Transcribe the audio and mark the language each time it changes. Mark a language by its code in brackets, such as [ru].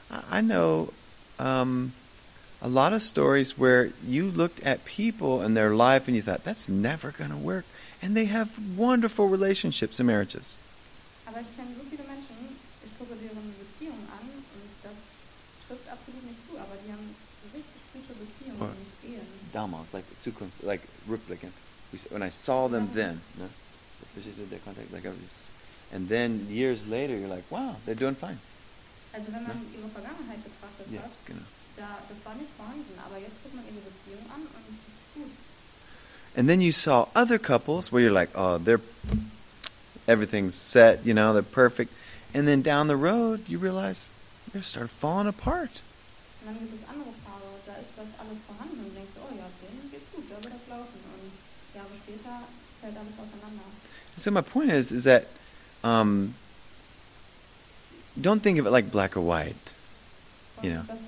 [en] I know a lot of stories where you looked at people and their life and you thought, that's never going to work. And they have wonderful relationships and marriages. [de] Aber ich kenne so viele Menschen, ich gucke deren Beziehungen an und das trifft absolut nicht zu, aber die haben richtig gute Beziehungen und Ehen. Damals, [en] like [de] Zukunft, [en] like [de] Rückblicken. [en] When I saw them then, ne? [de] Verstehst du, der Kontakt, [en] like, and then years later, you're like, wow, they're doing fine. [de] Also wenn man ihre Vergangenheit betrachtet das war nicht vorhanden, aber jetzt guckt man ihre Beziehung an und das ist gut. [en] And then you saw other couples where you're like, oh, they're everything's set, you know, they're perfect. And then down the road, you realize they start falling apart. [de] Und dann gibt es andere Paare, da ist das alles vorhanden und denkst, oh ja, denen geht's gut, da wird das laufen. Und Jahre später fällt alles auseinander. [en] So my point is that don't think of it like black or white. You know.